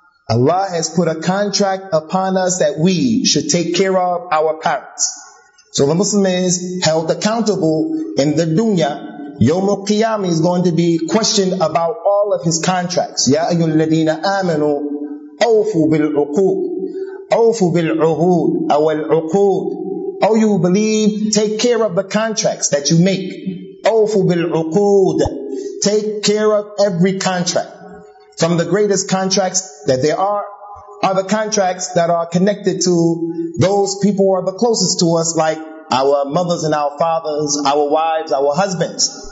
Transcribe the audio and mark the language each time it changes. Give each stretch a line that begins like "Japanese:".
English: Allah has put a contract upon us that we should take care of our parents. So the Muslim is held accountable in the dunya. Yawm al-Qiyamah is going to be questioned about all of his contracts.
Arabic: Ya ayyuhalladhina amanu awfu bil-uqood. أوفوا بالعهود أو العقود.
English: Oh, you believe, take care of the contracts that you make.
Arabic: أوفوا بالعقود.
English: Take care of every contract. From the greatest contracts that there are the contracts that are connected to those people who are the closest to us, like our mothers and our fathers, our wives, our husbands.